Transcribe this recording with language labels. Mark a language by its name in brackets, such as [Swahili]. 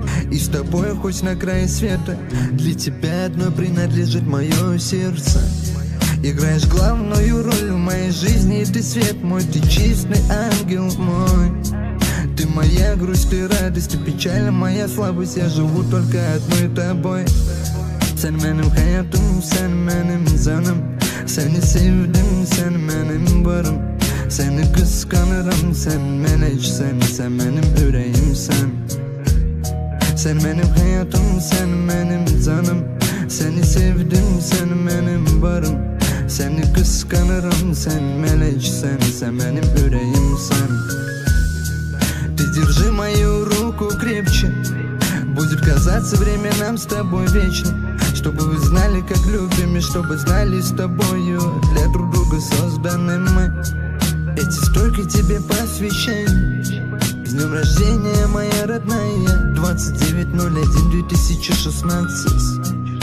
[Russian] И с тобой хоть на край света, для тебя одно принадлежит мое сердце. Играешь главную роль в моей жизни, ты свет мой, ты чистый ангел мой. Ты моя грусть, ты радость, ты печаль, моя слабость. Я живу только одной тобой. [Turkish] Sen benim hayatım, sen benim canım. Seni sevdim, sen benim barım. Seni kıskanırım, sen meleç, sen, sen benim yüreğim, sen. Sen benim hayatım, sen benim canım. Seni sevdim, sen benim barım. Seni kıskanırım, sen meleç, sen, sen benim yüreğim, sen. [Russian] Ты держи мою руку крепче, будет казаться время нам с тобой вечно. Чтобы вы знали, как любим, и чтобы знали с тобою, для друг друга созданы мы. Эти строки тебе посвящаю. С днем рождения, моя родная, 29.01.2016.